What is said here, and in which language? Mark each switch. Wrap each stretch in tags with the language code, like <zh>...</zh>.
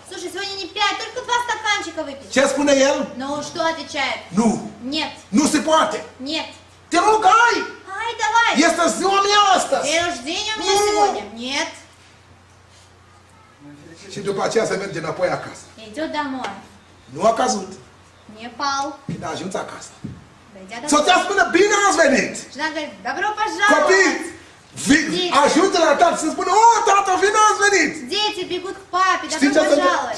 <ru>Слушай, сегодня не пять, только два стаканчика выпить.</ru> <ro>Ce spune el?</ro> <ru>Ну, что отвечает? Ну. Нет.</ru> <ro>Nu se poate.</ro> <ru>Нет.</ru> <ro>Te rog, ай!</ro> <ru>Ай, давай!</ru> <ro>Este ziua mea astăzi.</ro> <ru>Ești день у меня сегодня. Нет.</ru> <ro>Și după aceea se merge înapoi acasă.</ro> <ru>Идет домой.</ru> <ro>Nu a căzut.</ro> <ru>Не пал.</ru> <ro>Când a ajuns acasă. Soția spune, bine ați venit! Copii, ajută la tată să spună, o, tată, bine ați venit!</ro> <ru>Дети бегут к папе, добро пожаловать!</ru>